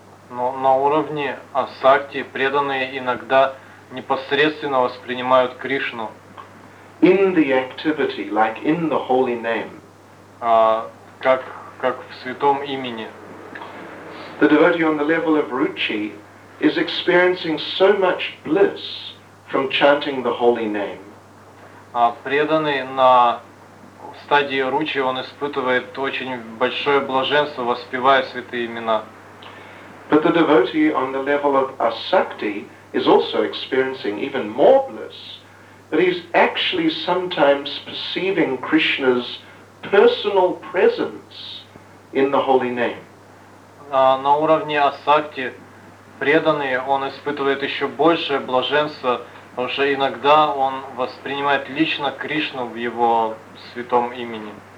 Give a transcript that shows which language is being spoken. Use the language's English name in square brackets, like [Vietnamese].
[Russian] Но на уровне асакти преданные иногда непосредственно воспринимают Кришну. [English] In the activity, like in the holy name. [Russian] Как в святом имени. [English] The devotee on the level of ruchi is experiencing so much bliss from chanting the holy name. [Russian] А преданный на стадии ручи, он испытывает очень большое блаженство, воспевая святые имена. [English] But the devotee on the level of asakti is also experiencing even more bliss, but he's actually sometimes perceiving Krishna's personal presence in the holy name. [Russian] На уровне асакти преданный, он испытывает еще большее блаженство, потому что иногда он воспринимает лично Кришну в его святом имени.